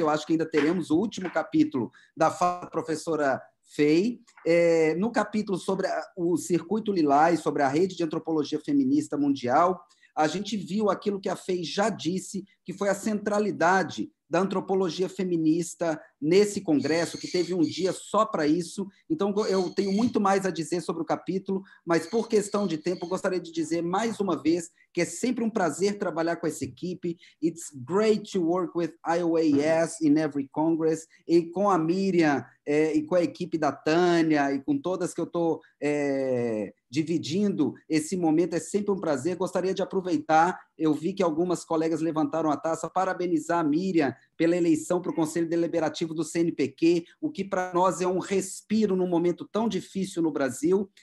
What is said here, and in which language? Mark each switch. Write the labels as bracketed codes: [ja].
[pt] Eu acho que ainda teremos o último capítulo da fala da professora Fei, no capítulo sobre o Circuito Lilás, sobre a Rede de Antropologia Feminista Mundial, a gente viu aquilo que a Fei já disse, que foi a centralidade da antropologia feminista nesse congresso, que teve um dia só para isso. Então, eu tenho muito mais a dizer sobre o capítulo, mas, por questão de tempo, gostaria de dizer mais uma vez que é sempre um prazer trabalhar com essa equipe. [en] It's great to work with IOAS in every congress. [pt] E com a Miriam, e com a equipe da Tânia, e com todas que eu estou dividindo esse momento, é sempre um prazer. Gostaria de aproveitar, eu vi que algumas colegas levantaram a taça, parabenizar a Miriam pela eleição para o Conselho Deliberativo do CNPq, o que para nós é um respiro num momento tão difícil no Brasil.